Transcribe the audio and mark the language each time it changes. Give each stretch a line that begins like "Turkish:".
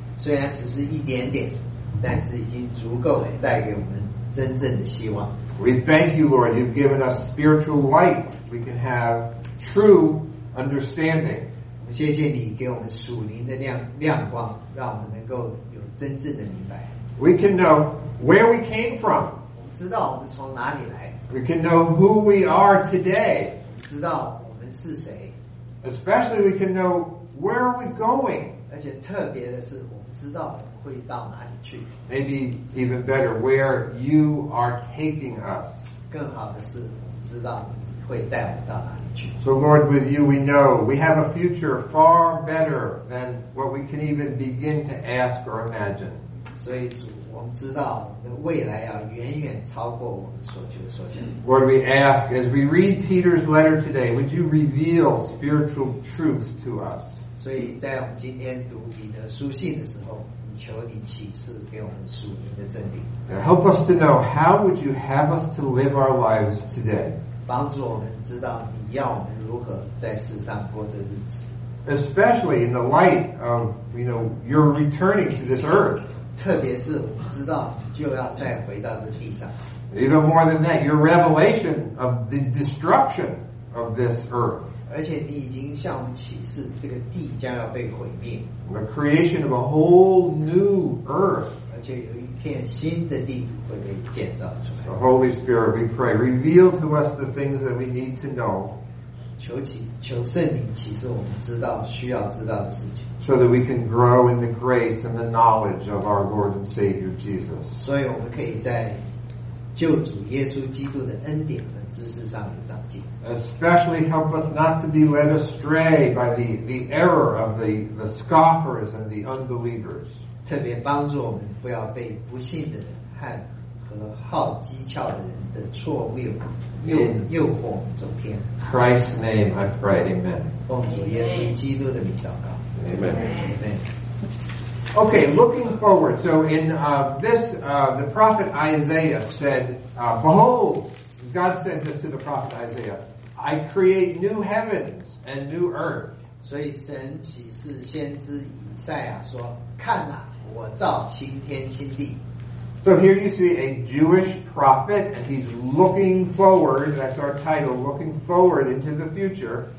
Chinese: 虽然只是一点点, 但是已经足够带给我们真正的希望。
English: We thank you, Lord, you've given us spiritual light. We can have true understanding.
Chinese: 谢谢你给我们属灵的亮光，让我们能够有真正的明白。
English: We can know where we came from.
Chinese: 我们知道我们从哪里来。
English: We can know who we are today.
Chinese: 我们知道我们是谁。
English: Especially we can know where are we going.
Chinese: 而且特别的是我们知道会到哪里去。
English: Maybe even better, where you are taking us.
Chinese: 更好的是我们知道会带我们到哪里去。
English: So Lord, with you we know we have a future far better than what we can even begin to ask or imagine.
Chinese: 所以主，我们知道我们的未来要远远超过我们所求所想。
English: Lord, we ask, as we read Peter's letter today, would you reveal spiritual truth to us?
Chinese: 所以在我们今天读彼得书信的时候，求你启示给我们属灵的真理。
English: Now help us to know how would you have us to live our lives today?
Chinese: 帮助我们知道你要我们如何在世上过这日子。
English: Especially in the light of, you know, your returning to this earth.
Chinese: 特别是我们知道就要再回到这地上。
English: Even more than that, your revelation of the destruction of this earth.
Chinese: 而且你已经向我们启示这个地将要被毁灭。
English: The creation of a whole new earth.
Chinese: 而且有一片新的地会被建造出来。
English: The Holy Spirit, we pray, reveal to us the things that we need to know.
Chinese: 求圣灵启示我们知道需要知道的事情。
English: So that we can grow in the grace and the knowledge of our Lord and Savior Jesus.
Chinese: 所以我们可以在救主耶稣基督的恩典和知识上有长进。
English: Especially help us not to be led astray by the error of the scoffers and the unbelievers.
Chinese: 特别帮助我们不要被不信的人和好讥诮的人的错谬诱惑走偏。
English: Christ's name, I pray, Amen.
Chinese: 奉主耶稣基督的名祷告。
English: Amen. Okay, looking forward. So in the prophet Isaiah said, Behold, God said this to the prophet Isaiah, I create new heavens and new earth.
Chinese: 所以神启示先知以赛亚说，看啊，我造新天新地。
English: So here you see a Jewish prophet, and he's looking forward, that's our title, looking forward into the future.